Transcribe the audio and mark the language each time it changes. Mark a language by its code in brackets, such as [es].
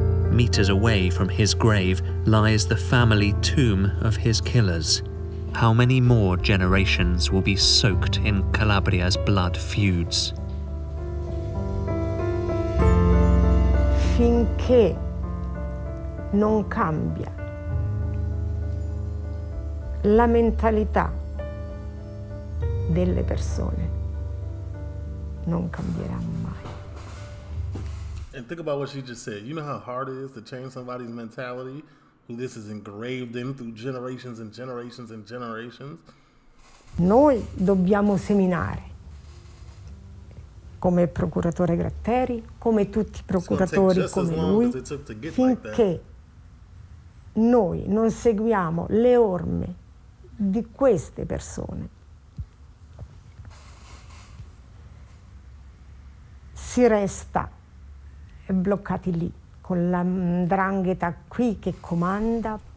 [en] Meters away from his grave lies the family tomb of his killers. How many more generations will be soaked in Calabria's blood feuds? Thank you. [it] finché non cambia la mentalità delle persone, non cambierà mai. [en] And think about what she just said. You know how hard it is to change somebody's mentality, who this is engraved in through generations and generations and generations? [it] Noi dobbiamo seminare, come procuratore Gratteri, come tutti i procuratori, come lui, finché noi non seguiamo le orme di queste persone, si resta bloccati lì, con la 'ndrangheta qui che comanda.